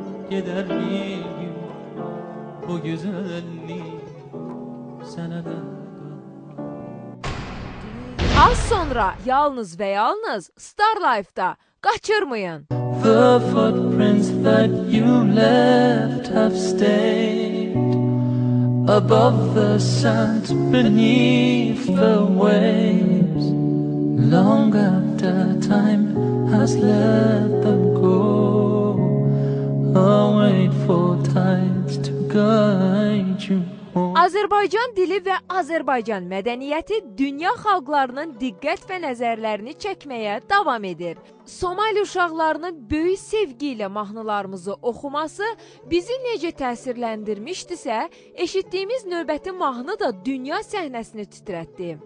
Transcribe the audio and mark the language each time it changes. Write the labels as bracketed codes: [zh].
[az] Gedər bir gün bu gözəllik sənə də. Az sonra yalnız və yalnız Star Life-da qaçırmayın. [en] The footprints that you left have stayed above the sand beneath the waves. Long after time has let them go, I'll wait for tides to guide you home. [az] Azərbaycan dili və Azərbaycan mədəniyyəti dünya xalqlarının diqqət və nəzərlərini çəkməyə davam edir. Somali uşaqlarının böyük sevgi ilə mahnılarımızı oxuması bizi necə təsirləndirmişdisə, eşitdiyimiz növbəti mahnı da dünya səhnəsini titrətdi.